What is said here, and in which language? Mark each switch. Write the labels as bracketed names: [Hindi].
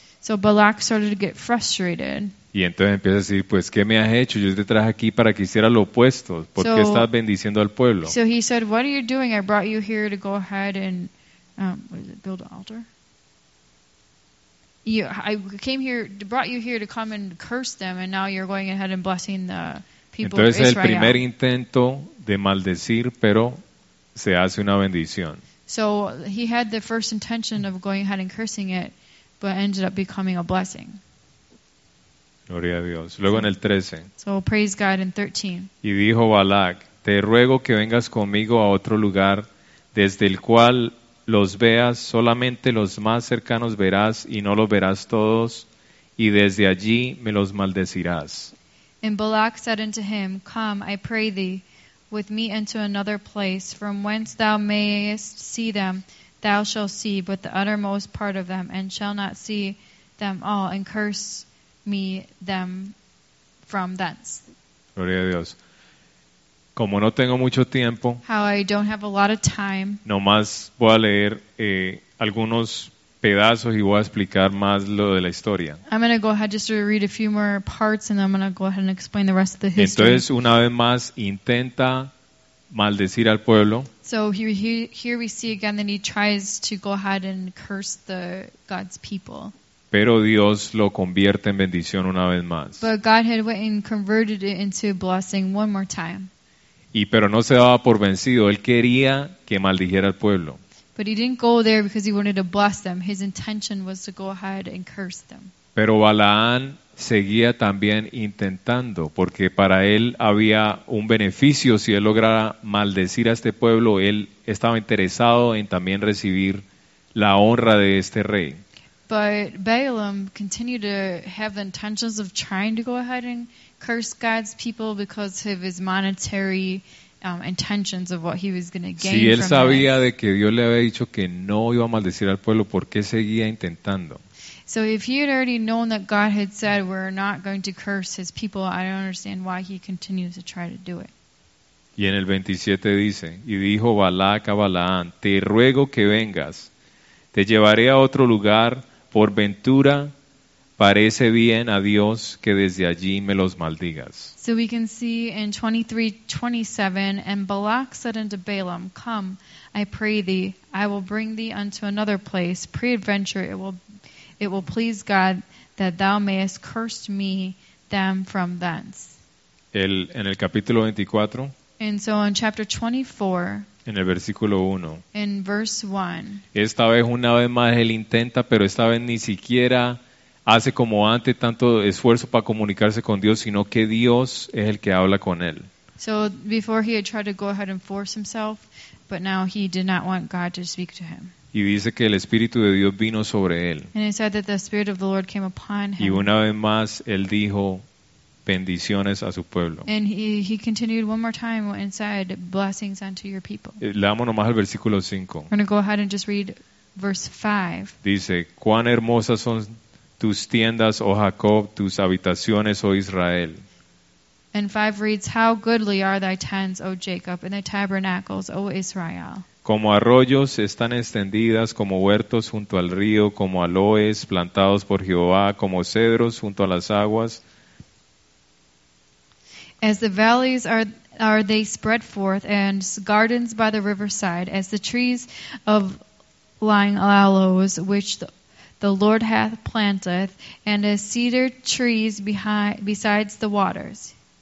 [English] So Balak started to get frustrated. [Spanish] Y entonces empieza a decir, pues, ¿qué me has hecho? Yo te traje aquí para que hiciera lo opuesto. ¿Por qué estás bendiciendo al pueblo? [English] So he said, what are you doing? I brought you here to go ahead and build an altar. I brought you here to come and curse them, and now you're going ahead and blessing the people of Israel. [Spanish] Entonces el primer intento de maldecir, pero se hace una bendición. [English] So he had the first intention of going ahead and cursing it, but ended up becoming a blessing. [Spanish] Gloria a Dios. Luego en el 13. [English] So praise God in 13. [Spanish] Y dijo Balak, te ruego que vengas conmigo a otro lugar desde el cual los veas, solamente los más cercanos verás y no los verás todos, y desde allí me los maldecirás. [English] And Balak said unto him, come, I pray thee, with me into another place, from whence thou mayest see them, thou shalt see but the uttermost part of them, and shall not see them all, and curse me them from thence. [Spanish] Gloria a Dios. Como no tengo mucho tiempo, [English] how I don't have a lot of time, [Spanish] nomás voy a leer algunos pedazos y voy a explicar más lo de la historia. [English] I'm going to go ahead just to read a few more parts, and then I'm going to go ahead and explain the rest of the history. [Spanish] Entonces, una vez más, intenta maldecir al pueblo. [English] So here we see again that he tries to go ahead and curse the God's people. [Spanish] Pero Dios lo convierte en bendición una vez más. [English] But God had went and converted it into a blessing one more time. [Spanish] Y pero no se daba por vencido. Él quería que maldijera al pueblo. [English] But he didn't go there because he wanted to bless them. His intention was to go ahead and curse them. [Spanish] Pero Balaán seguía también intentando, porque para él había un beneficio si él lograra maldecir a este pueblo. Él estaba interesado en también recibir la honra de este rey. [English] But Balaam continued to have the intentions of trying to go ahead and curse God's people because of his monetary intentions of what he was going to gain from [Spanish] this. Si él sabía de que Dios le había dicho que no iba a maldecir al pueblo, ¿por qué seguía intentando? [English] So if he had already known that God had said we're not going to curse his people, I don't understand why he continues to try to do it. [Spanish] Y en el 27 dice, y dijo Balac a Balaán, te ruego que vengas, te llevaré a otro lugar, por ventura parece bien a Dios que desde allí me los maldigas. [English] So we can see in 23:27, and Balak said unto Balaam, come, I pray thee, I will bring thee unto another place, peradventure it will please God that thou mayest curse me them from thence. [Spanish] En el capítulo 24. [English] And so in chapter 24. [Spanish] En el versículo 1. [English] In verse 1. [Spanish] Esta vez una vez más él intenta, pero esta vez ni siquiera hace como antes tanto esfuerzo para comunicarse con Dios, sino que Dios es el que habla con él. [English] So before he had tried to go ahead and force himself, but now he did not want God to speak to him. [Spanish] Y dice que el Espíritu de Dios vino sobre él. [English] And it said that the Spirit of the Lord came upon him. [Spanish] Y una vez más, él dijo bendiciones a su pueblo. [English] And he continued one more time and said, blessings unto your people. [Spanish] Leamos nomás el versículo 5. [English] We're going to go ahead and just read verse 5. [Spanish] Dice, cuán hermosas son tus tiendas, oh Jacob, tus habitaciones, oh Israel. [English] And 5 reads, how goodly are thy tents, oh Jacob, and thy tabernacles, oh Israel. [Spanish] Como arroyos están extendidas, como huertos junto al río, como aloes plantados por Jehová, como cedros junto a las aguas. [English] As the valleys are they spread forth, and gardens by the riverside, as the trees of lying aloes which the Lord hath planted, and as cedar trees besides the waters.